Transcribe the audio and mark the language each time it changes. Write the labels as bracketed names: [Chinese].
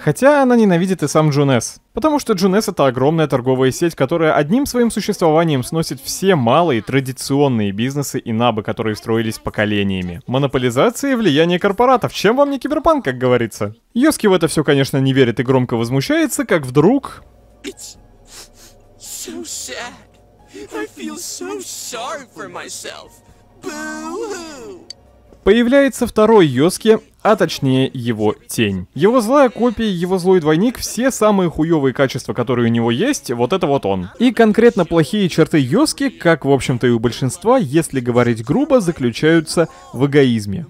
[Russian] Хотя она ненавидит и сам Джунес. Потому что Джунес — это огромная торговая сеть, которая одним своим существованием сносит все малые традиционные бизнесы и набы, которые строились поколениями. Монополизация и влияние корпоратов. Чем вам не киберпанк, как говорится? Йоски в это все, конечно, не верит и громко возмущается, как вдруг... [English] I feel so sorry for myself. [Russian] Появляется второй Йоски, а точнее его тень. Его злая копия, его злой двойник, все самые хуёвые качества, которые у него есть, вот это вот он. И конкретно плохие черты Йоски, как в общем-то и у большинства, если говорить грубо, заключаются в эгоизме.